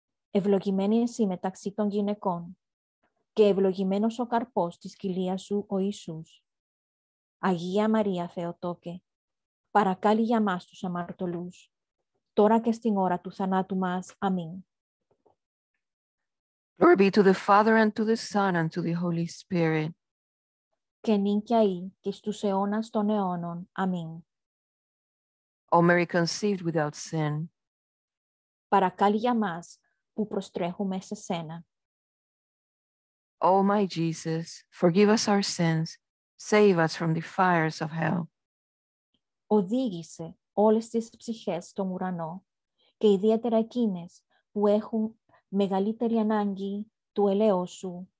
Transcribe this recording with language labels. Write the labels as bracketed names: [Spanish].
[Greek] Ευλογημένη εσύ μεταξύ των γυναικών και ευλογημένος ο καρπός της κοιλίας σου, ο Ιησούς. Αγία Μαρία Θεοτόκε, παρακάλλη για μας τους αμαρτωλούς, τώρα και στην ώρα του θανάτου μας. Αμήν. [English] Glory be to the Father, and to the Son, and to the Holy Spirit. [Greek] Και νυν και αεί και στους αιώνας των αιώνων. Αμήν. [English] O Mary conceived without sin. [Greek] Παρακάλλη για μας που προστρέχουμε σε σένα. [English] O my Jesus, forgive us our sins, save us from the fires of hell. [Greek] Οδήγησε όλες τις ψυχές στον ουρανό και ιδιαίτερα εκείνες που έχουν μεγαλύτερη ανάγκη του ελέος σου.